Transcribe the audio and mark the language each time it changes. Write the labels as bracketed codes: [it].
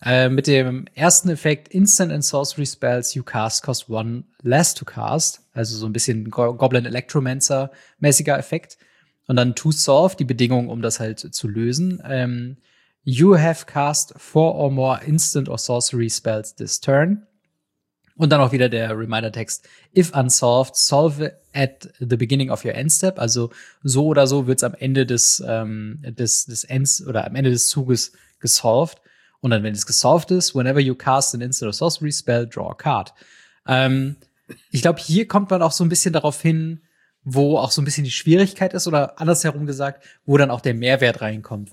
[de] Mit dem ersten Effekt, [en] Instant and Sorcery Spells you cast cost one less to cast. [de] Also so ein bisschen Goblin Electromancer-mäßiger Effekt. Und dann to solve, die Bedingung, um das halt zu lösen. [en] You have cast 4 or more instant or sorcery spells this turn. [de] Und dann auch wieder der Reminder-Text. [en] If unsolved, solve at the beginning of your end step. [de] Also so oder so wird's am Ende des Ends oder am Ende des Zuges gesolved. Und dann, wenn es gesolved ist, [en] whenever you cast an instant or sorcery spell, draw a card. [de] Ich glaube, hier kommt man auch so ein bisschen darauf hin, wo auch so ein bisschen die Schwierigkeit ist, oder andersherum gesagt, wo dann auch der Mehrwert reinkommt.